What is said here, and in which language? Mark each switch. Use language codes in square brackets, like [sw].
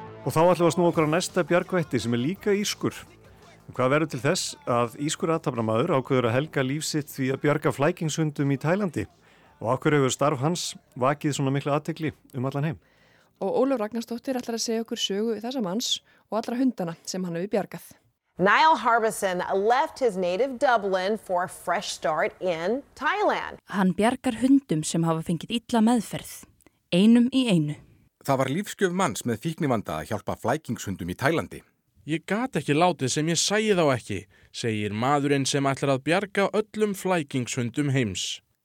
[is] Og þá ætlum við að snúa okkur á næsta bjargvætti sem líka írskur. Hvað verður til þess að írskur athafnamaður ákveður að helga líf sitt því að bjarga flækingshundum í Tælandi? Og af hverju hefur starf hans vakið svona mikla athygli allan heim? Og Ólöf Ragnarsdóttir ætlar að segja okkur sögu þessa manns og allra hundana sem hann hefur bjargað. [en] Niall Harbison left his native Dublin for a fresh start in Thailand. [is] Hann bjargar hundum sem hafa fengið illa meðferð, einum í einu. Það var lífsgjöf manns með fíknivanda að hjálpa flækingshundum í Thailandi. Ég gat ekki látið sem ég sæi þá ekki, segir maðurinn sem ætlar að bjarga öllum flækingshundum heims.